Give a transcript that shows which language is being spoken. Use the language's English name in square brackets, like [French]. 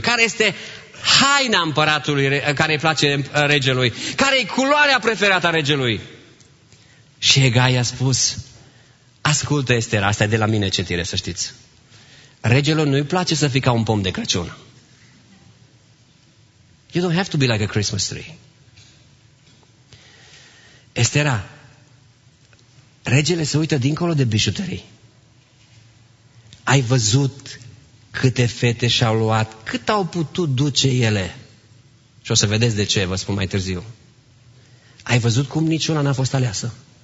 [Romanian] Care este haina împăratului care îi place regelui. Care e culoarea preferată a regelui. Și Hegai a spus, ascultă Estera, asta e de la mine citire, să știți. Regelul nu-i place să fii ca un pom de Crăciun. [English] You don't have to be like a Christmas tree. [Romanian] Estera, regele se uită dincolo de bijuterii. Ai văzut câte fete și-au luat, cât au putut duce ele? Și o să vedeți de ce, vă spun mai târziu. Ai văzut cum niciuna n-a fost aleasă?